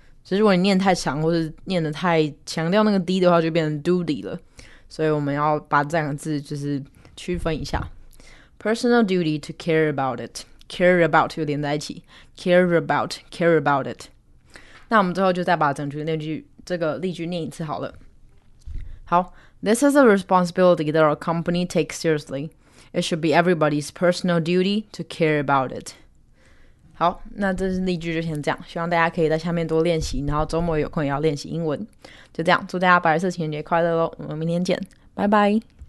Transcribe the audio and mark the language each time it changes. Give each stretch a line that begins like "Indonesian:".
Chinese: 所以如果你念太长，或是念得太强调那个 d 的话，就变成 duty 了。所以我们要把这两个字就是区分一下，
English: personal duty to care about it， care about
Chinese: 又连在一起，
English: care about it。
Chinese: 那我们最后就再把整句那句这个例句念一次好了。好。
English: This is a responsibility that our company takes seriously. It should be everybody's personal duty to care about it.
Chinese: 好，那这是例句就先这样，希望大家可以在下面多练习，然后周末有空也要练习英文。就这样，祝大家白色情人节快乐喽！我们明天见，拜拜。